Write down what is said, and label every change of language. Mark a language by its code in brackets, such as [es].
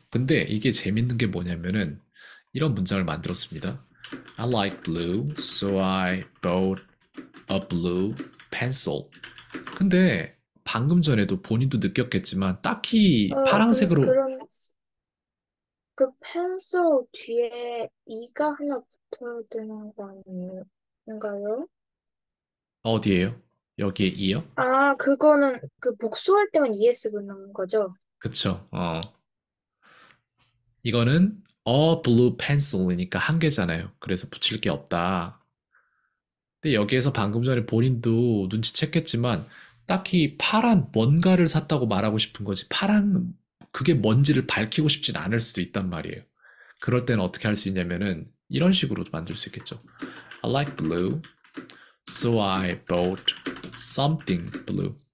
[ko] 근데 이게 재밌는 게 뭐냐면은 이런 문장을 만들었습니다. [en] I like blue, so I bought a blue pencil. [ko] 근데 방금 전에도 본인도 느꼈겠지만 딱히 파란색으로 그런 그 pencil 뒤에 이가 하나 붙어야 되는 거 아닌가요? 어디에요? 여기에 이요? 그거는 그 복수할 때만 ES 붙는 거죠? 그쵸. 이거는 a blue pencil이니까 한 개잖아요. 그래서 붙일 게 없다. 근데 여기에서 방금 전에 본인도 눈치챘겠지만 딱히 파란 뭔가를 샀다고 말하고 싶은 거지. 파란 그게 뭔지를 밝히고 싶진 않을 수도 있단 말이에요. 그럴 때는 어떻게 할수 있냐면은 이런 식으로 만들 수 있겠죠. [en] I like blue. So I bought something blue.